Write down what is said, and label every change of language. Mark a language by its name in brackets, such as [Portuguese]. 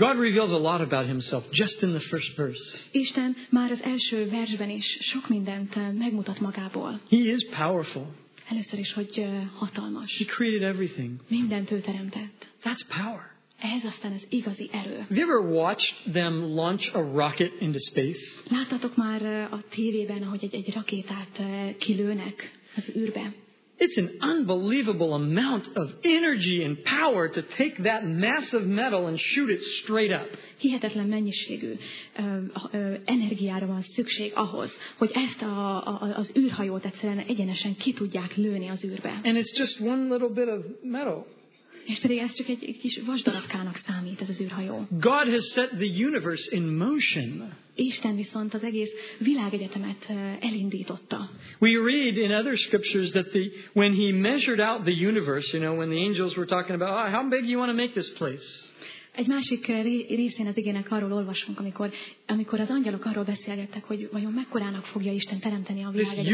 [English] God reveals a lot about himself just in the first verse. [Hungarian] Isten már az első versben is sok mindent megmutat magából. [English] He is powerful. [Hungarian] Először is, hogy hatalmas. [English] He created everything. [Hungarian] Mindent ő teremtett. [English] That's power. [Hungarian] Ez aztán az igazi erő. [English] Have you ever watched them launch a rocket into space? [Hungarian] Láttatok már a tévében, ahogy egy rakétát kilőnek az űrbe? [English] It's an unbelievable amount of energy and power to take that massive metal and shoot it straight up. [Hungarian] Hihetetlen mennyiségű energiára van szükség ahhoz, hogy ezt az űrhajót egyszerűen egyenesen ki tudják lőni az űrbe. [English] And it's just one little bit of metal. [Hungarian] És pedig ez csak egy kis vasdarabkának számít, ez az űrhajó. [English] God has set the universe in motion. [Hungarian] Isten viszont az egész világegyetemet elindította. [English] We read in other scriptures that when he measured out the universe, you know, when the angels were talking about, oh, how big you want to make this place. [Hungarian] Egy másik részén az igének arról olvasunk, amikor az angyalok arról beszélgettek, hogy vajon mekkorának fogja Isten teremteni a világegyetemet.